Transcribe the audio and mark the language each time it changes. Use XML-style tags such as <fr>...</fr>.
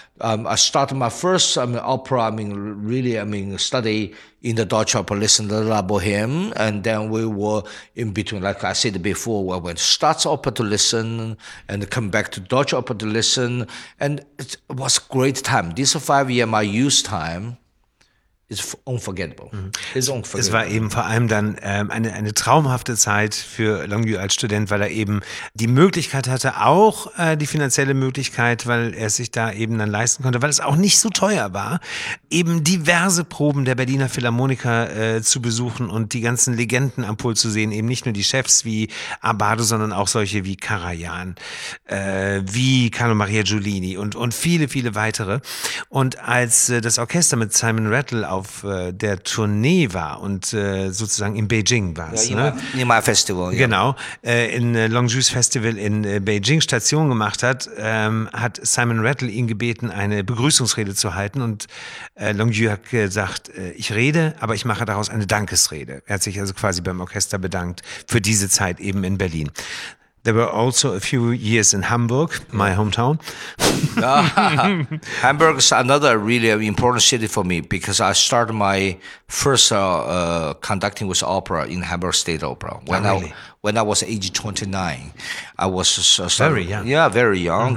<en>I started my first opera. Study in the Deutsche Oper, listen to La Boheme, and then we were in between. Like I said before, we went to Staatsoper to listen, and come back to Deutsche Oper to listen, and it was a great time. This 5 year my youth time. Unforgettable.</en> <de>Es war eben vor allem dann eine traumhafte Zeit für Longyu als Student, weil er eben die Möglichkeit hatte, auch die finanzielle Möglichkeit, weil er sich da eben dann leisten konnte, weil es auch nicht so teuer war, eben diverse Proben der Berliner Philharmoniker zu besuchen und die ganzen Legenden am Pult zu sehen, eben nicht nur die Chefs wie Abbado, sondern auch solche wie Karajan, wie Carlo Maria Giulini und viele, viele weitere. Und als das Orchester mit Simon Rattle auf der Tournee war und sozusagen in Beijing war es.</de> <en>Ja, in my Festival. Ja.</en> <de>Genau, in Longju's Festival in Beijing Station gemacht hat, hat Simon Rattle ihn gebeten, eine Begrüßungsrede zu halten, und Longju hat gesagt, ich rede, aber ich mache daraus eine Dankesrede. Er hat sich also quasi beim Orchester bedankt für diese Zeit eben in Berlin.</de> <en>There were also a few years in Hamburg, my hometown. Hamburg is another really important city for me because I started my first conducting with opera in Hamburg State Opera. When I was age 29, I was very young. Mm-hmm.</en>